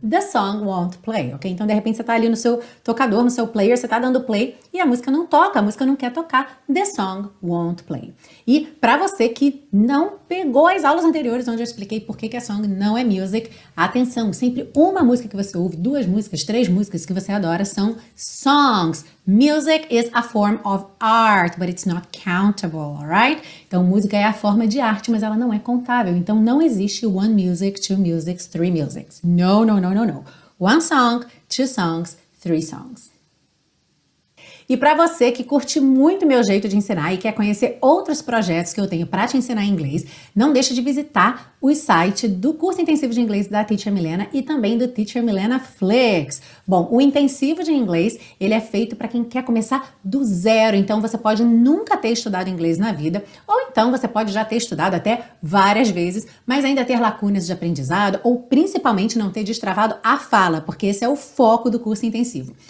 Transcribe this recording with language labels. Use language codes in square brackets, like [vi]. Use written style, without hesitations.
[en] The song won't play, [pt] ok? Então, de repente, você tá ali no seu tocador, no seu player, você tá dando play e a música não toca, a música não quer tocar. [en] The song won't play. [pt] E para você que não pegou as aulas anteriores onde eu expliquei por que a song não é music, atenção, sempre uma música que você ouve, duas músicas, três músicas que você adora são songs. [en] Music is a form of art, but it's not countable, alright? [pt] Então, música é a forma de arte, mas ela não é contável. Então, não existe [en] one music, two musics, three musics. No, no, [pt] no, no, no. [en] One song, two songs, three songs. [pt] E para você que curte muito meu jeito de ensinar e quer conhecer outros projetos que eu tenho para te ensinar inglês, não deixa de visitar o site do curso intensivo de inglês da Teacher Milena e também do Teacher Milena Flex. Bom, o intensivo de inglês, ele é feito para quem quer começar do zero, então você pode nunca ter estudado inglês na vida, ou então você pode já ter estudado até várias vezes, mas ainda ter lacunas de aprendizado, ou principalmente não ter destravado a fala, porque esse é o foco do curso intensivo.